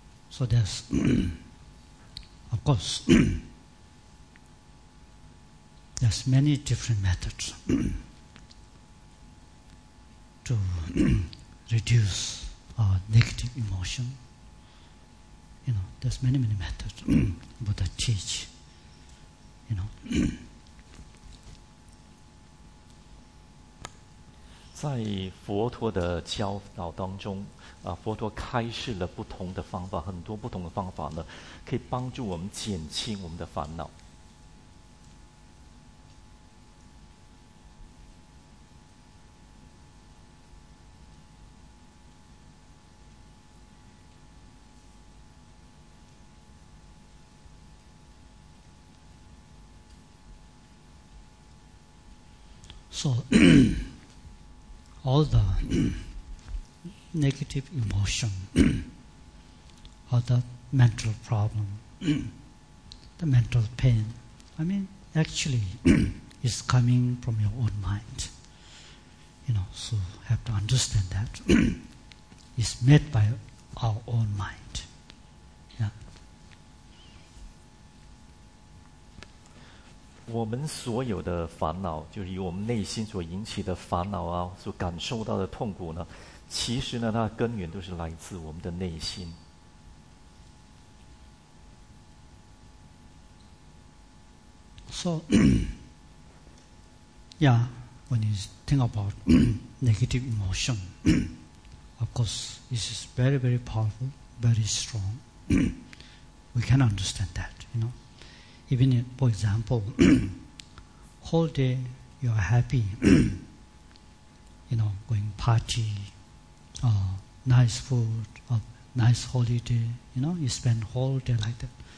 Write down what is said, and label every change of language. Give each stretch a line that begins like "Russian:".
English: So there's, of course, there's many different methods to reduce our negative emotion. You know, there's many, many methods Buddha teach, you know.
Chinese: 在佛陀的教导当中，佛陀开示了不同的方法，很多不同的方法呢，可以帮助我们减轻我们的烦恼。
English: So. All the negative emotion, all the mental problem, the mental pain, I mean, actually, is coming from your own mind. You know, so have to understand that it's made by our own mind.
Chinese: Yeah. 我们所有的烦恼，就是由我们内心所引起的烦恼啊，所感受到的痛苦呢，其实呢，它的根源都是来自我们的内心。
English: So, yeah, when you think about negative emotion, of course, this is very, very powerful, very strong. We can understand that, you know. Even if, for example, whole day you are happy, you know, going party, nice food, nice holiday, you know, you spend whole day like that.